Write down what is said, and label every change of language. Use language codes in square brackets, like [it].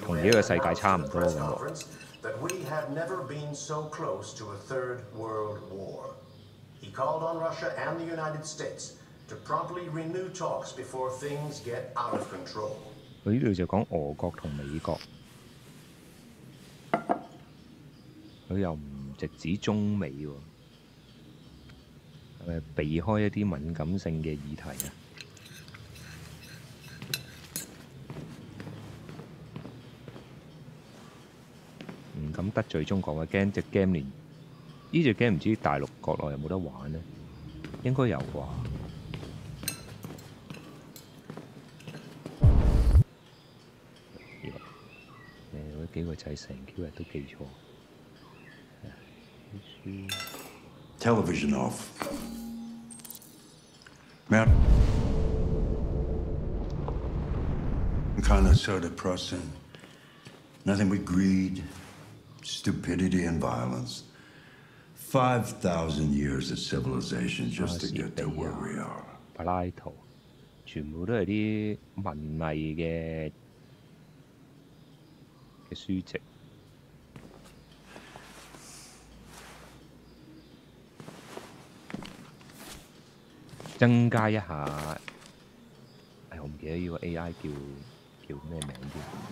[yue] 同呢個世界差唔多咁喎。 [en] That we have never been so close to a third world war. He called on Russia and the United States to promptly renew talks before things get out of control. [yue] 佢呢度就講俄國同美國，佢又唔直指中美喎。避開一啲敏感性嘅議題啊！咁得罪中國嘅 game 只 game 連呢只 game 唔知大陸國內有冇得玩咧？應該有啩。嗰幾個仔成 Q 日都記錯。 [en] Television off. Matt. I'm kind of sort of person. Nothing but greed, stupidity, and violence. 5,000 years of civilization just to get to where we are. Plato. [yue] 全部都是啲文藝嘅書籍。增加一下，哎，我唔記得呢個 AI 叫咩名添。